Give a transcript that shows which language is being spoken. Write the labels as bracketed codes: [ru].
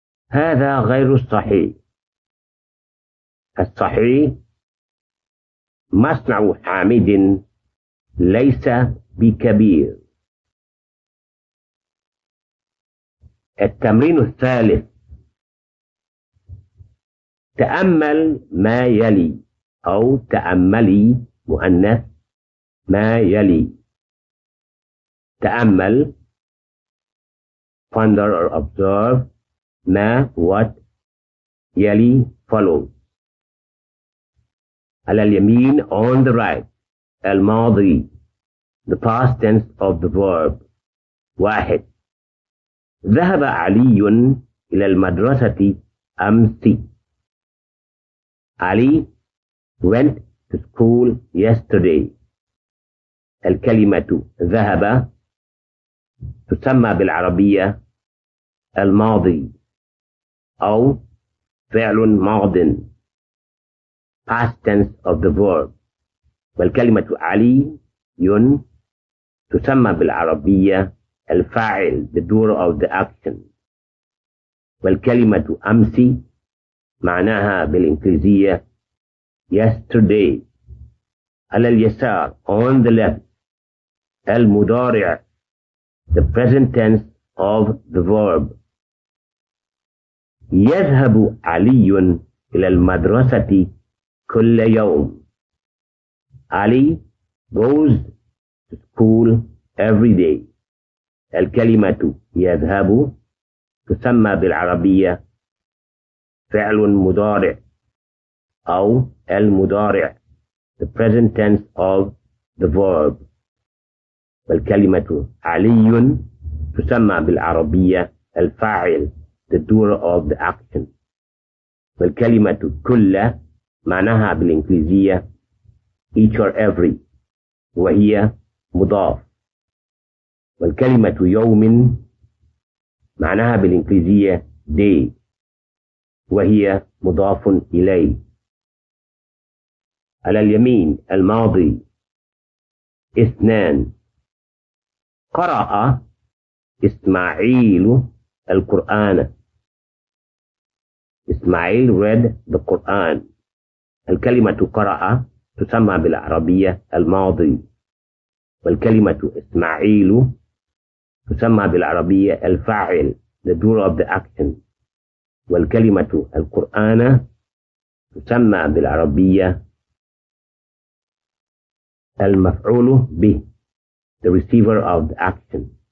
[ar] هذا غير الصحيح. الصحيح مصنع حامد ليس بكبير. التمرين الثالث، تأمل ما يلي أو تأملي مؤنث ما يلي. تأمل، [en] ponder or observe [ar] ما [en] what [ar] يلي [en] follow. [ar] على اليمين [en] on the right، [ar] الماضي [en] the past tense of the verb. [ar] واحد، ذهب علي إلى المدرسة أمس. [en] علي went to school yesterday. [ar] الكلمة ذهب تسمى بالعربية الماضي أو فعل ماض [en] past tense of the verb، [ar] والكلمة علي تسمى بالعربية الفاعل [en] the doer of the action، [ar] والكلمة أمس معناها بالإنجليزية [en] yesterday. [ar] على اليسار [en] on the left، [ar] المضارع [en] the present tense of the verb. [ar] يذهب علي إلى المدرسة كل يوم. [en] علي goes to school every day. [ar] الكلمة يذهب تسمى بالعربية فعل مضارع أو المضارع [en] the present tense of the verb، [ar] والكلمة علي تسمى بالعربية الفاعل [en] the doer of the action، [ar] والكلمة كل معناها بالإنجليزية [en] each or every [ar] وهي مضاف، والكلمة يوم معناها بالإنجليزية [en] day [ar] وهي مضاف إليه. على اليمين الماضي اثنان، قرأ إسماعيل القرآن. [en] إسماعيل read the Quran. [ar] الكلمة قرأ تسمى بالعربية الماضي، والكلمة إسماعيل تسمى بالعربية الفاعل [en] the doer of the action، [ar] والكلمة القرآن تسمى بالعربية المفعول به [en] the receiver of the action.